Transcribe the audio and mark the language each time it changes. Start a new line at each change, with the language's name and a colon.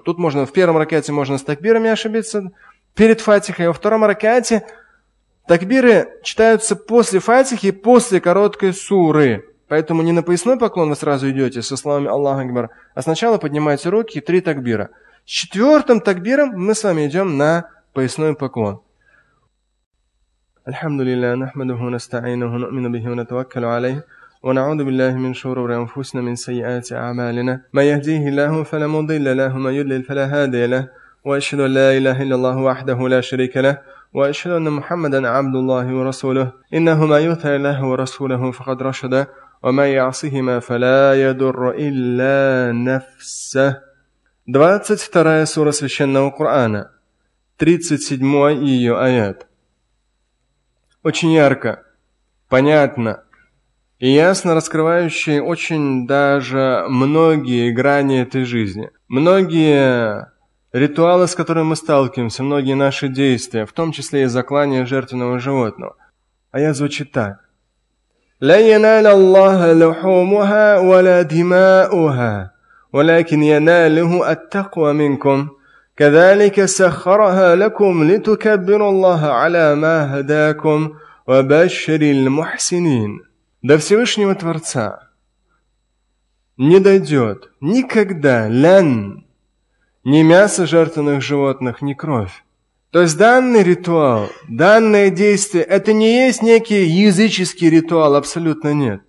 Russian: Тут можно, в первом ракиате можно с такбирами ошибиться перед фатихой. Во втором ракиате такбиры читаются после фатихи, после короткой суры. Поэтому не на поясной поклон вы сразу идете со словами «Аллаху Акбар», а сначала поднимаете руки, три такбира. С четвертым такбиром мы с вами идем на поясной поклон.
Arabic: الحمد لله نحمده ونستعينه ونؤمن به ونتوكل عليه ونعوذ بالله من شرور أنفسنا من سيئات أعمالنا ما يهديه الله فلا مضل له وما يضلل فلا هادي له وأشهد أن لا إله إلا الله وحده لا شريك له وأشهد أن محمدا عبد الله ورسوله إنه ما يطع الله ورسوله فقد رشد وما يعصهما فلا يضر إلا نفسه 22 سورة
Russian: священного Корана 37 ее аят. Очень ярко, понятно и ясно раскрывающие очень даже многие грани этой жизни. Многие ритуалы, с которыми мы сталкиваемся, многие наши действия, в том числе и заклание жертвенного животного. А я звучит так.
Arabic: «Ла янал Аллаха лухумуха вала дима'уха, валякин яналиху ат-такуа минкум». كذلك سخرها لكم لتكبروا الله على ما هداكم وبشر المحسنين.
Russian: До Всевышнего Творца не дойдет никогда лен ни мясо жертвенных животных, ни кровь. То есть данный ритуал, данное действие, это не есть некий языческий ритуал, абсолютно нет.